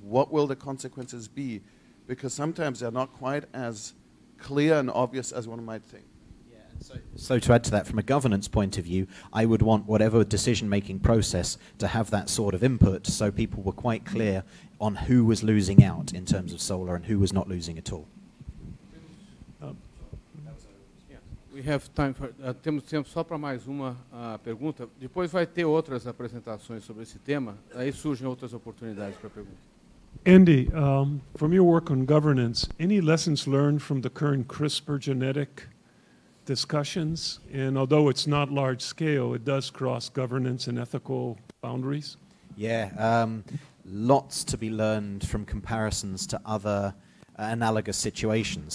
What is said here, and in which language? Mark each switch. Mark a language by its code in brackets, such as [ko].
[en] What will the consequences be? Because sometimes they're not quite as clear and obvious as one might think. So to add to that, from a governance point of view, I would want whatever decision-making process to have that sort of input, so people were quite clear on who was losing out in terms of solar and who was not losing at all. We have time for [pt] temos tempo só para mais uma pergunta. Depois vai ter outras apresentações sobre esse tema. Aí surgem outras oportunidades para perguntas. [en] Andy, from your work on governance, any lessons learned from the current CRISPR genetic discussions, and although it's not large scale, it does cross governance and ethical boundaries? Yeah, lots to be learned from comparisons to other analogous situations.